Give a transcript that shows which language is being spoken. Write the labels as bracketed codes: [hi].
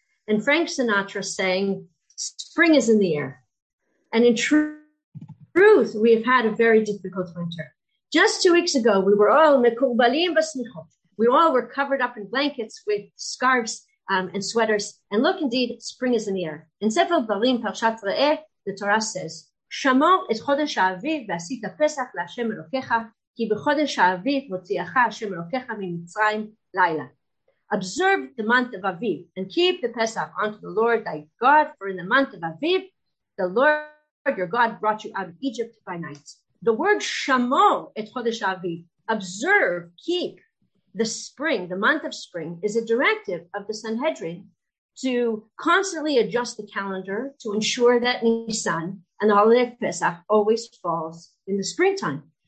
[en] And Frank Sinatra sang, spring is in the air. And in truth, we have had a very difficult winter. Just 2 weeks ago, we were all mekubalim basmichot. We all were covered up in blankets with scarves and sweaters. And look, indeed, spring is in the air. [he] In Sefer Dvarim Parshat Re'eh, the Torah says, שמור את חודש האביב ועשית פסח להשם אלוקיך, כי בחודש האביב מוציאך השם אלוקיך ממצרים לילה. [en] Observe the month of Aviv and keep the Pesach unto the Lord thy God, for in the month of Aviv, the Lord your God brought you out of Egypt by night. The word [he] שמור את חודש האביב, [en] observe, keep, the spring, the month of spring, is a directive of the Sanhedrin to constantly adjust the calendar to ensure that Nisan and the holiday of Pesach always falls in the springtime.